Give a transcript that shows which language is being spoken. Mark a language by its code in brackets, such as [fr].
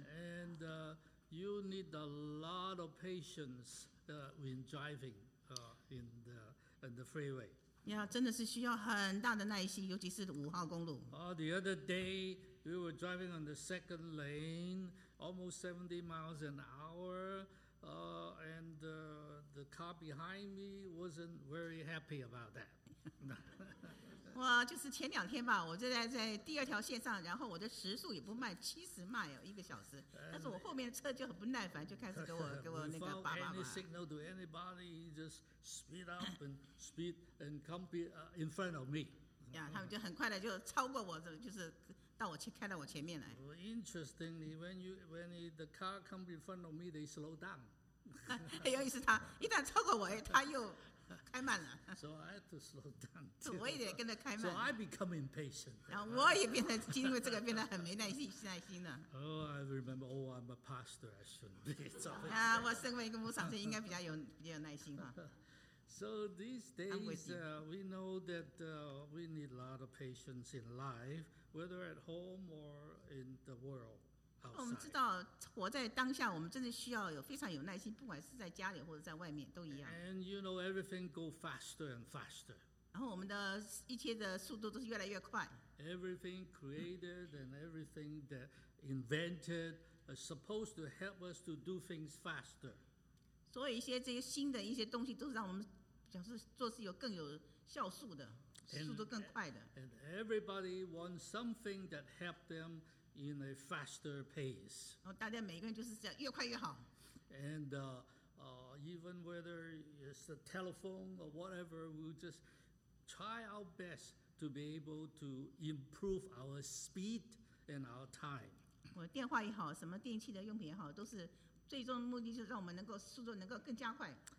[en] And you need a lot of patience when driving in the freeway. [zh] Yeah, 真的是需要很大的耐心，尤其是五号公路。 [en] The other day we were driving on the second lane, almost 70 miles an hour, and the car behind me wasn't very happy about that. [zh] 哇，就是前两天吧，我就在第二条线上，然后我的时速也不慢，70 miles 一个小时，但是我后面的车就很不耐烦，就开始给我那个叭叭叭。 [en] Any signal to anybody, just speed up and speed and come be, in front of me. [zh] 呀，他们就很快的就超过我，就是到我去开到我前面来。 [en] Well, interestingly, when the car come in front of me, they slow down. [zh] 很有意思，他一旦超过我，他又开慢了。 [en] So I had to slow down. [zh] 我也得跟着开慢。 [en] So I become impatient. [zh] 然后我也变得因为这个变得很没耐心了。 [en] Oh, I remember. Oh, I'm a pastor. I shouldn't be. [zh] 啊，我身为一个牧场，应该比较耐心哈。 [en] So these days, we know that we need a lot of patience in life, whether at home or in the world outside. [zh] 我们知道活在当下，我们真的需要有非常有耐心，不管是在家里或者在外面都一样。 [en] And you know, everything go faster and faster. [zh] 然后我们的一切的速度都是越来越快。 [en] Everything created and everything that invented is supposed to help us to do things faster. [zh] 所以一些这些新的一些东西都是让我们表示做事有更有效速的 [en] and, [zh] 速度更快的 [en] and everybody wants something that help them in a faster pace [zh] 然后大家每个人就是这样越快越好 [en] and even whether it's a telephone or whatever we'll just try our best to be able to improve our speed and our time [zh] 我电话也好什么电器的用品也好都是最终目的就是让我们能够速度能够更加快。